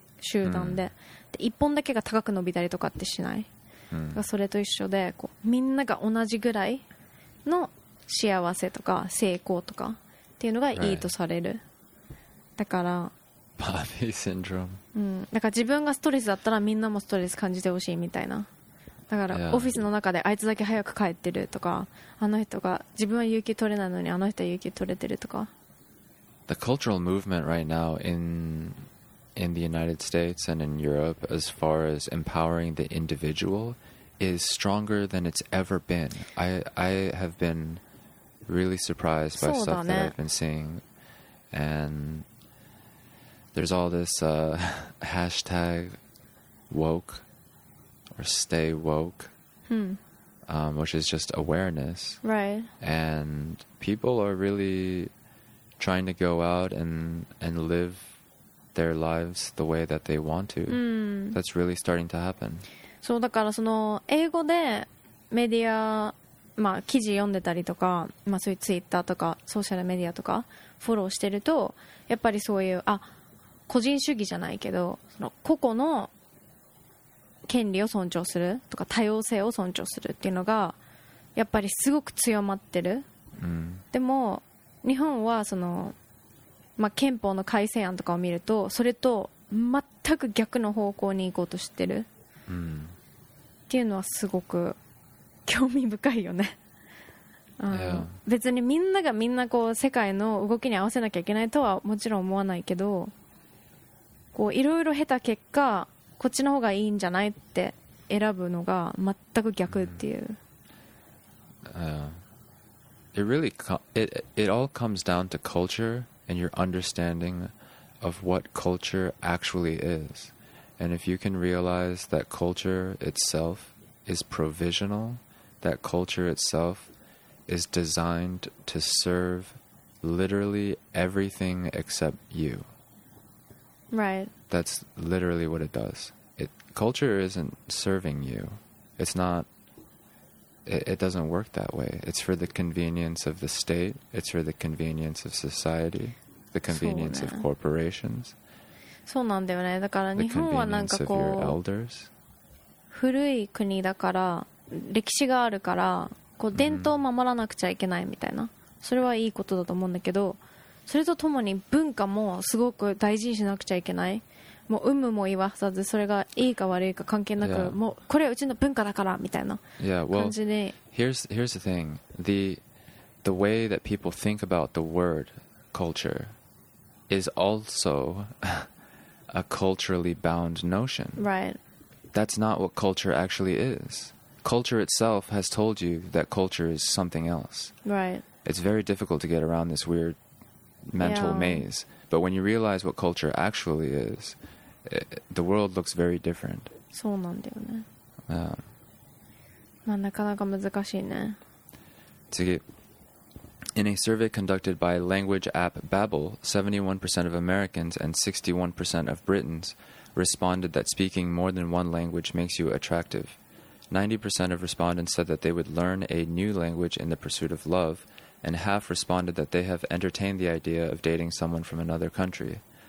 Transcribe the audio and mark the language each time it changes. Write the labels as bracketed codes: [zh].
[ja] 集団で、で一本だけが高く伸びたりとかってしない、それと一緒でこうみんなが同じぐらいの幸せとか成功とかっていうのがいいとされる、だからパーティーシンドローム、だから自分がストレスだったらみんなもストレス感じてほしいみたいな。だからオフィスの中であいつだけ早く帰ってるとか、あの人が自分は有給取れないのにあの人は有給取れてるとか。 [en] The cultural movement right now in the United States and in Europe, as far as empowering the individual, is stronger than it's ever been. I have been really surprised by stuff that I've been seeing. And there's all this hashtag woke or stay woke, which is just awareness. Right. And people are really trying to go out and liveTheir lives the way that they want to. That's really starting to happen. [ja] そうだからその英語でメディア、まあ記事読んでたりとか、まあそういうツイッターとかソーシャルメディアとかフォローしてると、やっぱりそういう個人主義じゃないけど、その個々の権利を尊重するとか多様性を尊重するっていうのがやっぱりすごく強まってる。でも日本はそのまあ、憲法の改正案とかを見るとそれと全く逆の方向に行こうとしてるっていうのはすごく興味深いよね。別にみんながみんなこう世界の動きに合わせなきゃいけないとはもちろん思わないけど、こういろいろ経た結果こっちの方がいいんじゃないって選ぶのが全く逆っていう。 [en] It all comes down to cultureAnd your understanding of what culture actually is. And if you can realize that culture itself is provisional, that culture itself is designed to serve literally everything except you. Right. That's literally what it does. It, culture isn't serving you. It's not... It doesn't work that way. It's for the convenience of the state. It's for the convenience of society. The convenience of corporations. [ja] そうなんだよね。だから日本はなんかこう古い国だから歴史があるからこう伝統を守らなくちゃいけないみたいな、それはいいことだと思うんだけど、それとともに文化もすごく大事にしなくちゃいけない。もう有無も言わさず、それがいいか悪いか関係なく、もうこれはうちの文化だからみたいな感じで。 [en] Here's the thing. The way that people think about the word culture is also a culturally bound notion. Right. That's not what culture actually is. Culture itself has told you that culture is something else. Right. It's very difficult to get around this weird mental maze. But when you realize what culture actually is, the world looks very different. [ja] そうなんだよね。まあ、なかなか難しいね。次。 [en] In a survey conducted by language app Babbel, 71% of Americans and 61% of Britons responded that speaking more than one language makes you attractive. 90% of respondents said that they would learn a new language in the pursuit of love, and half responded that they have entertained the idea of dating someone from another country.